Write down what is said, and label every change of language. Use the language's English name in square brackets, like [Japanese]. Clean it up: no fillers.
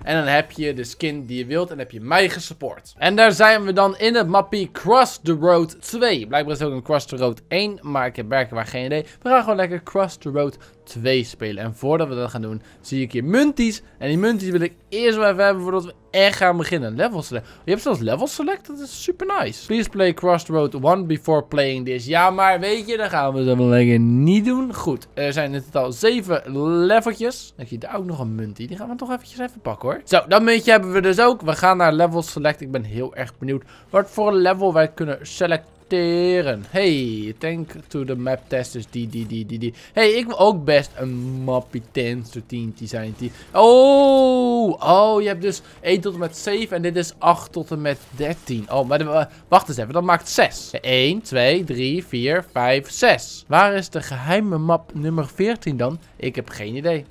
[Dutch] En dan heb je de skin die je wilt en heb je mij gesupport. En daar zijn we dan in het mappie Cross the Road 2. Blijkbaar is het ook een Cross the Road 1, maar ik heb werkelijk geen idee. We gaan gewoon lekker Cross the Road 2 spelen. En voordat we dat gaan doen, zie ik hier munties. En die munties wil ik eerst wel even hebben voordat we echt gaan beginnen. Level select. Je hebt zelfs level select? Dat is super nice. [English] Please play Cross the Road 1 before playing this. [Dutch] Ja, maar weet je, dan gaan we het lekker niet doen. Goed, er zijn in totaal 7 leveltjes. Dan zie je daar ook nog een muntie. Die gaan we toch eventjes even pakken hoor. Zo, dat muntje hebben we dus ook. We gaan naar level select. Ik ben heel erg benieuwd wat voor level wij kunnen selecteren. [English] Hey, thank to the map testers. [Dutch] Die. Hey, ik wil ook best een mappie 10, 13, 10. Oh, je hebt dus 1 tot en met 7. En dit is 8 tot en met 13. Oh, maar wacht eens even. Dat maakt 6. 1, 2, 3, 4, 5, 6. Waar is de geheime map nummer 14 dan? Ik heb geen idee.